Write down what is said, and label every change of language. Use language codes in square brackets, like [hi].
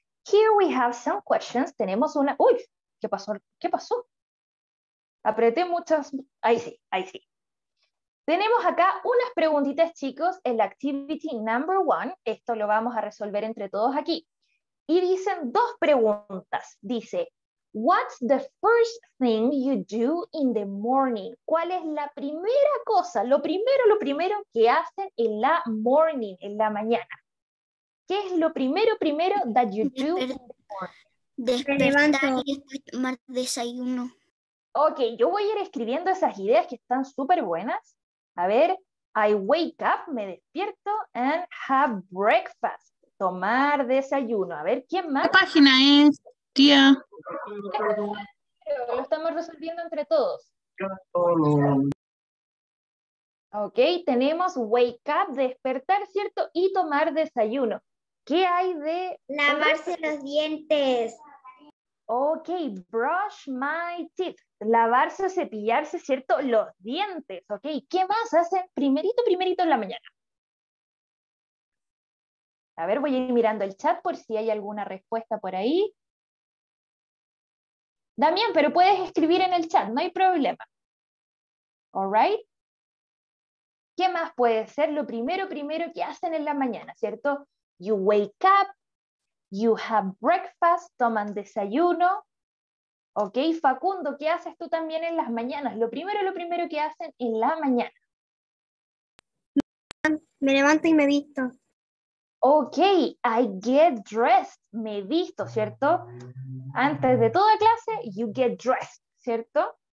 [es] Here we have some questions. Tenemos una... ¡Uy! ¿Qué pasó? ¿Qué pasó? Apreté muchas... Ahí sí. Tenemos acá unas preguntitas, chicos, en la activity number one. Esto lo vamos a resolver entre todos aquí. Y dicen dos preguntas. [en] Dice, [es] what's the first thing you do in the morning? ¿Cuál es la primera cosa, lo primero que hacen en la morning, en la mañana? [en] ¿Qué es lo primero that you do in the morning? [es] Despertar y tomar desayuno. Ok, yo voy a ir escribiendo esas ideas que están súper buenas. [en] A ver, I wake up, me despierto, and have breakfast. [es] Tomar desayuno. A ver, ¿quién más? ¿Qué página es, tía? Lo estamos resolviendo entre todos. Ok, tenemos wake up, despertar, ¿cierto? Y tomar desayuno. ¿Qué hay de... lavarse los dientes. Ok, brush my teeth. Lavarse, cepillarse, ¿cierto? Los dientes, ¿ok? ¿Qué más hacen primerito en la mañana? A ver, voy a ir mirando el chat por si hay alguna respuesta por ahí. Damián, pero puedes escribir en el chat, no hay problema. All right. ¿Qué más puede ser lo primero que hacen en la mañana, ¿cierto? [en] You wake up, you have breakfast, toman desayuno. [es] Ok, Facundo, ¿qué haces tú también en las mañanas? Lo primero que hacen en la mañana. Me levanto y me visto. Ok, I get dressed, me visto, ¿cierto? Antes de toda clase, you get dressed, ¿cierto?